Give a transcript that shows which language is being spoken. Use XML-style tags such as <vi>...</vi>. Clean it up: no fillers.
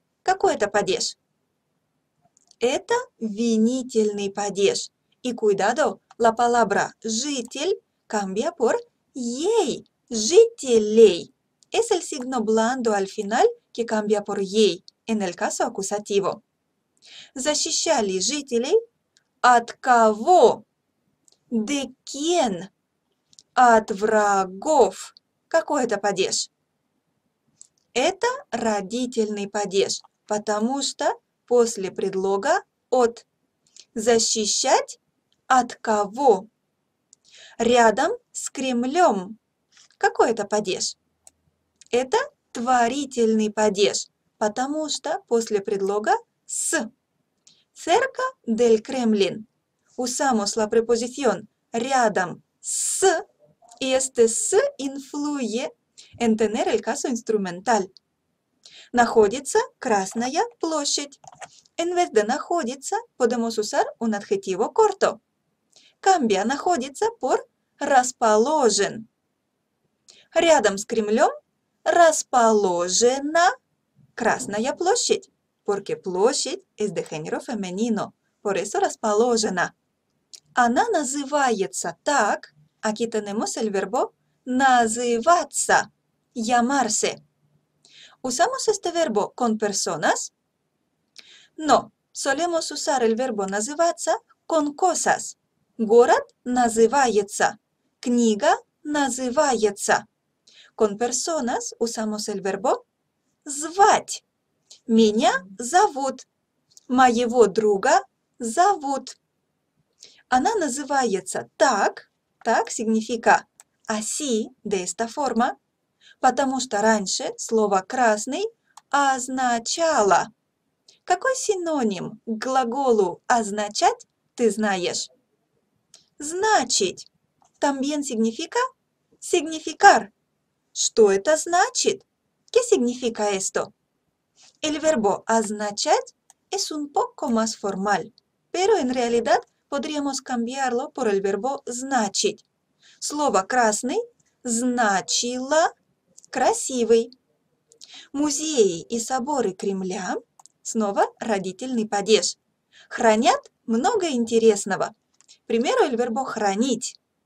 <ru>Какой это падеж? Это винительный падеж.</ru> <es>И cuidado, la palabra житель cambia por ей, жителей. Es el signo blando al final que cambia por ей, en el caso acusativo.</es> <ru>Защищали жителей от кого?</ru> <es>De quién?</es> <ru>От врагов. Какой это падеж? Это родительный падеж, потому что после предлога от. Защищать от кого? Рядом с Кремлем. Какой это падеж? Это творительный падеж, потому что после предлога с.</ru> <es>Церка del Kremlin. Usamos la preposición рядом с. И este с influye en tener el caso instrumental.</es> <ru>Находится Красная площадь.</ru> <es>En vez de находится, podemos usar un adjetivo corto. Cambia находится por расположен.</es> <ru>Рядом с Кремлем расположена Красная площадь.</ru> <es>Porque площадь es de género femenino. Por eso расположена.</es> <ru>Она называется так.</ru> <es>Aquí tenemos el verbo называться. Llamarse. Usamos este verbo con personas. No, solemos usar el verbo называться con cosas.</es> <ru>Город называется. Книга называется.</ru> <es>Con personas usamos el verbo звать.</es> <ru>Меня зовут. Моего друга зовут. Она называется так.</ru> <es>Так significa así, de esta forma.</es> <ru>Потому что раньше слово «красный» означало. Какой синоним к глаголу «означать» ты знаешь?</ru> <es>«Значить» también significa «significar».</es> <ru>Что это значит?</ru> <es>¿Qué significa esto? El verbo «означать» es un poco más formal, pero en realidad podríamos cambiarlo por el verbo «значить».</es> <ru>Слово «красный» значило «красивый». Музеи и соборы Кремля. Снова родительный падеж. Хранят много интересного. К примеру,</ru> <es>el verbo</es> <ru>хранить.</ru>